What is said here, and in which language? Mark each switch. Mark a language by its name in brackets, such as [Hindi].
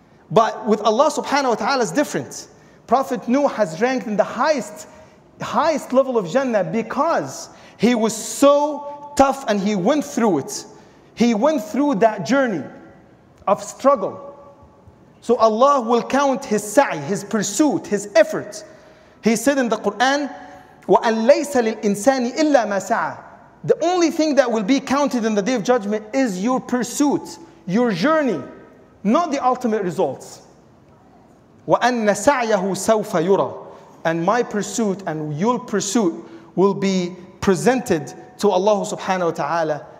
[English] But with Allah subhanahu wa ta'ala, it's different. Prophet Nuh has ranked in the highest level of Jannah because he was so tough and he went through it. He went through that journey of struggle. So Allah will count his sa'i, his pursuit, his effort. He said in the Quran, [Arabic] وَأَن لَيْسَ لِلْإِنسَانِ إِلَّا مَا سَعَى. [English] The only thing that will be counted in the Day of Judgment is your pursuit, your journey, not the ultimate results. [Arabic] وَأَنَّ سَعْيَهُ سَوْفَ يُرَى. [English] And my pursuit and your pursuit will be presented to Allah subhanahu wa ta'ala